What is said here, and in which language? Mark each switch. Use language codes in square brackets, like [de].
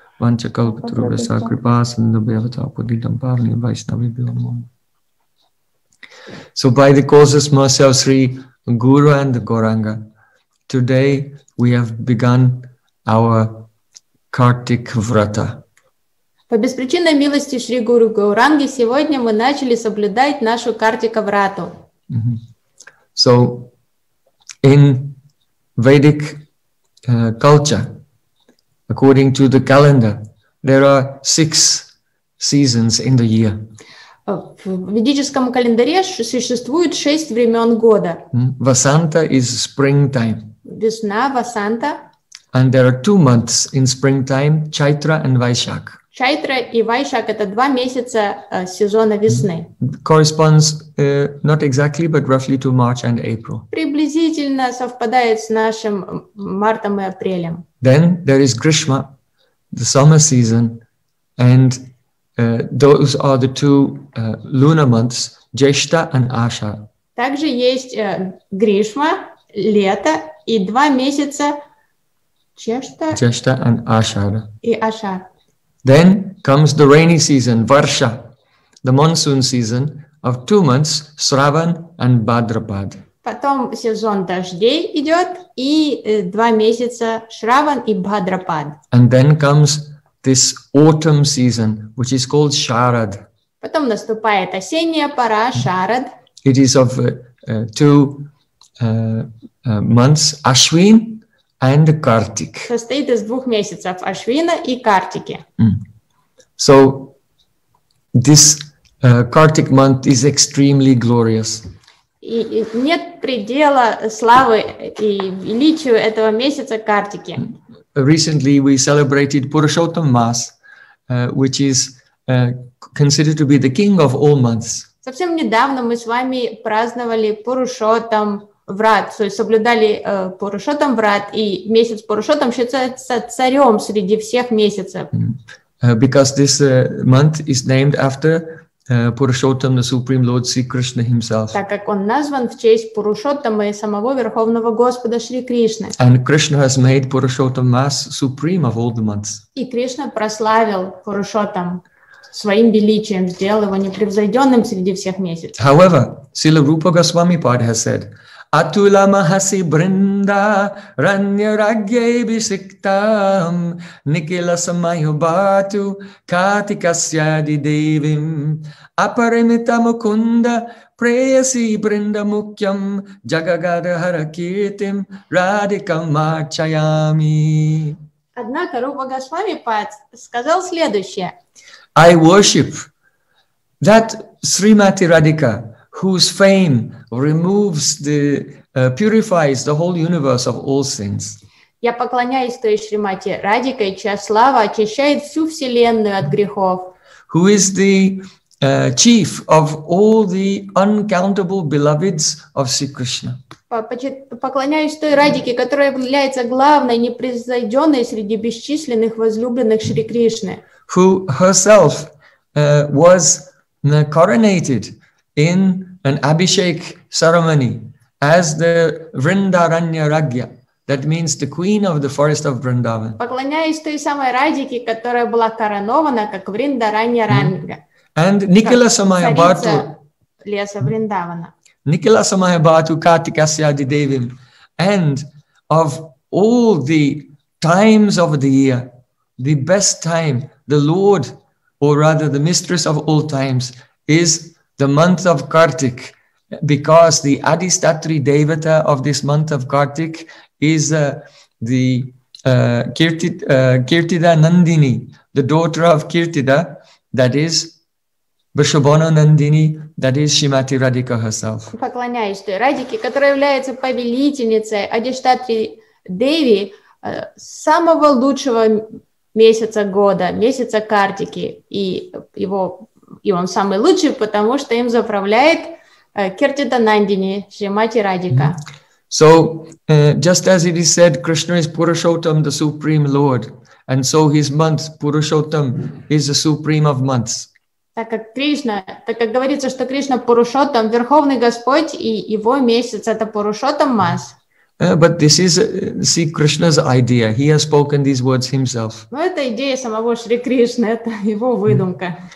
[sa] Vancha Kalpatruga Sakripas and the Bhavatapuditam Pavli and Vaishnavi Bhavamon. [en] So, by the causes mercy of Sri Guru and the Gauranga, today we have begun our Kartik Vrata. [ru] По беспричинной милости Шри Гуру Гауранги сегодня мы начали соблюдать нашу Картика-Врату. Mm-hmm. [en] So, in Vedic culture, according to the calendar, there are six seasons in the year. [ru] В ведическом календаре существует шесть времен года. [en] Vasanta is springtime. [ru] Весна, Vasanta. [en] And there are two months in springtime, Chaitra and Vaishak. [ru] Чайтра и Вайшак – это два месяца сезона весны. [en] Corresponds not exactly, but roughly to March and April. [ru] Приблизительно совпадает с нашим мартом и апрелем. [en] Then there is Grishma, the summer season, and those are the two lunar months, Jeshta and Asha. [ru] Также есть Гришма, лето, и два месяца Чешта. Чешта and Ашара. И Ашар. [en] Then comes the rainy season, Varsha, the monsoon season of 2 months, Sravan and Bhadrapad. [ru] Потом сезон дождей идет, и два месяца Шраван и Бхадрапад. [en] And then comes this autumn season, which is called Sharad. [ru] Потом наступает осенняя пора, Шарад. [en] It is of two months, Ashwin and Kartik. [ru] Состоит из двух месяцев, Ашвина и Картики. Mm. [en] So, this Kartik month is extremely glorious. [ru] И нет предела славы и величию этого месяца Картики. [en] Recently, we celebrated Purushottam Mass, which is considered to be the king of all months. [ru] Совсем недавно мы с вами праздновали Пурушоттам Врат, то есть соблюдали Пурушоттам Врат, и месяц Пурушоттам считается царем среди всех месяцев. [en] Because this month is named after Purushottam, the Supreme Lord, Sri Krishna himself. [ru] Так как он назван в честь Пурушоттама и самого Верховного Господа Шри Кришны. [en] And Krishna has made Purushottam Mass supreme of all the months. [ru] И Кришна прославил Пурушоттам своим величием, сделал его непревзойденным среди всех месяцев. [en] However, Srila Rupa Goswami Pad has said, [sa] Atula mahasi brinda ranya ragye bisiktam nikila samayu batu katikasya di devim aparimita mukunda preyasi brinda mukyam jagagada harakitim radikam marchayami. [ru] Однако Rupa Goswami Pad сказал следующее. [en] I worship that Srimati Radhika, whose fame removes the purifies the whole universe of all sins. [ru] Я поклоняюсь той Шримати Радикой, чья слава очищает всю вселенную от грехов. [en] Who is the chief of all the uncountable beloveds of Sri Krishna? [ru] Поклоняюсь той Радике, которая является главной непревзойденной среди бесчисленных возлюбленных Шри Кришны. [en] Who herself was coronated in an Abhishek ceremony as the Vrindaranya Ragya, that means the queen of the forest of Vrindavan. [ru] Поклоняюсь той самой Радике, которая была коронована как Vrindaranya Ranga. [sa] And Nikila Samaya Bhatu. [ru] Леса Вриндавана. [sa] Nikila Samaya Bhatu Kartikasya Adidevim. [en] And of all the times of the year, the best time, the Lord, or rather the mistress of all times, is the month of Kartik, because the Adhistatri Devata of this month of Kartik is the Kirtida Nandini, the daughter of Kirtida, that is Vrishabhana Nandini, that is Shrimati Radhika herself. [ru] Поклоняюсь той Радике, которая является повелительницей Адиштатри Деви самого лучшего месяца года, месяца Картики, и его и он самый лучший, потому что им заправляет Киртида Нандини, Шримати Радика. [en] So, just as it is said, Krishna is Purushottam, the Supreme Lord, and so his month, Purushottam, is the supreme of months. [ru] Так как Кришна, так как говорится, что Кришна Пурушоттам, Верховный Господь, и его месяц это Пурушоттам Мас. [en] But this is, see, Krishna's idea. He has spoken these words himself. [ru] Но это идея самого Шри Кришны, это его выдумка.